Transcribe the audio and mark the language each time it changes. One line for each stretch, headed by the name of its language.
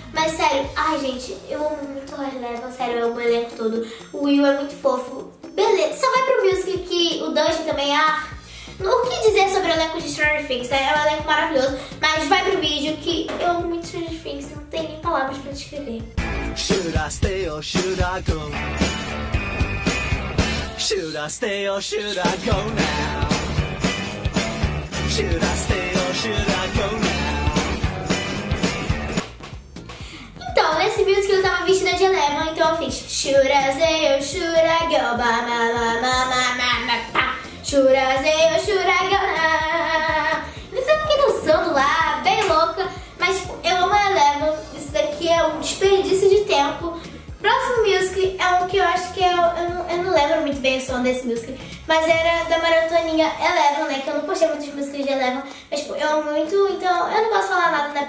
Portuguese: Mas sério, ai gente, eu amo muito a Eleven, sério, eu amo o elenco todo. O Will é muito fofo. Beleza, só vai pro music que o Dungeon também, ah... O que dizer sobre o elenco de Stranger Things, né? É um elenco maravilhoso, mas vai pro vídeo que eu amo muito Stranger Things, não tem nem palavras pra descrever.
English: Should I stay or should I go? Should I stay or should I go now? Should I stay or should I go now?
Portuguese: Então, nesse vídeo que eu tava vestida de Eleven, então eu fiz Should I stay or should I go? Ba ma ma ma ma ma ma pa.
English: Should I stay or should I go now?
Portuguese: Então eu fiquei dançando lá, bem louca. Mas tipo, eu amo Eleven, isso daqui é um desperdício de tempo. Próximo musical é um que eu acho que eu não lembro muito bem o som desse musical, mas era da maratoninha Eleven, né? Que eu não postei muitos musicals de Eleven, mas tipo, eu amo muito, então eu não posso falar nada, né?